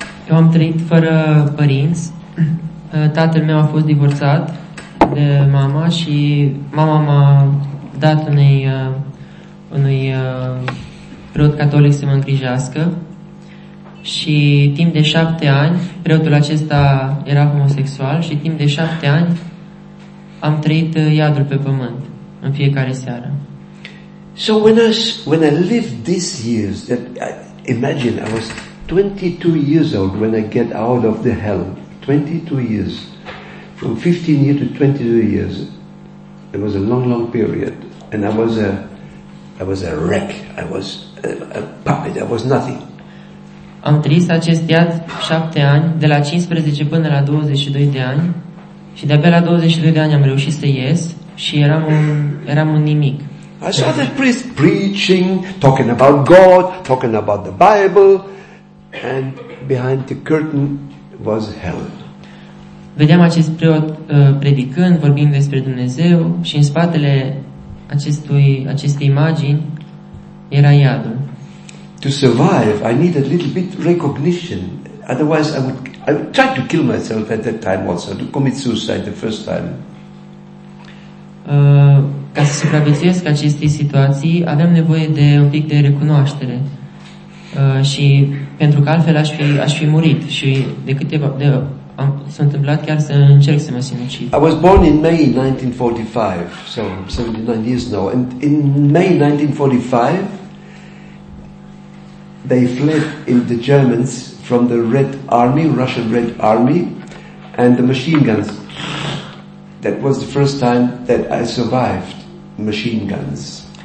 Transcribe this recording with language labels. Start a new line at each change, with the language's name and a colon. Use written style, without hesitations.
Romanian: Eu am trăit fără părinți. Tatăl meu a fost divorțat de mama și mama m-a dat unui preot catolic să mă îngrijească. Și timp de 7 ani, preotul acesta era homosexual și timp de 7 ani am trăit iadul pe pământ în fiecare seară.
English: So when I lived these years, that I, imagine I was 22 years old when I get out of the hell. 22 years, from 15 years to 22 years, it was a long, long period, and I was a wreck. I was a puppet. I was nothing.
Romanian: Am trăit acest iad 7 ani, de la 15 până la 22 de ani, și de-abia la 22 de ani am reușit să ies și eram un nimic.
English: I saw the priest preaching, talking about God, talking about the Bible, and behind the curtain was hell.
Romanian: Vedeam acest preot predicând, vorbind despre Dumnezeu, și în spatele acestei imagini era iadul.
English: To survive, I need a little bit recognition. Otherwise, I would try to kill myself at that time also, to commit suicide the first time.
Romanian: Ca să supraviețuiesc acestei situații, aveam nevoie de un pic de recunoaștere. Și pentru că altfel aș fi murit. Și de câteva de am s-a întâmplat chiar să încerc să mă sinucid.
English: I was born in May 1945, so 79 years now. And in May 1945, they fled in the Germans from the Red Army, Russian Red Army, and the machine guns. That was the first time that I survived machine guns.